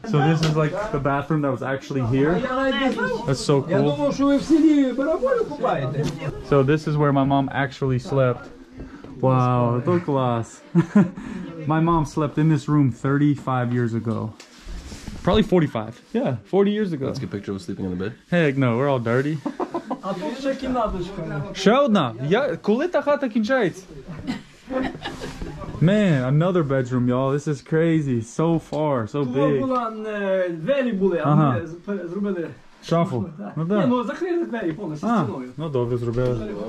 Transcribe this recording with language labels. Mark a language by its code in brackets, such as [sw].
[en] So this is like the bathroom that was actually here. That's so cool. [uk] Я думав, що ви в селі барабулю купаєте. [en] So this is where my mom actually slept. [uk] Wow, то клас. [en] My mom slept in this room 35 years ago. Probably 45. Yeah, 40 years ago. Let's get a picture of us sleeping in the bed. Heck no, we're all dirty. [uk] А тут ще кімнаточка. Ще одна? Коли та хата кінчається? [en] Man, another bedroom, y'all. This is crazy. So far, so big. [uk] Була двері були, а ми зробили шафу. Ну да. Ну закрили двері повністю стіною. Ну добре зробили.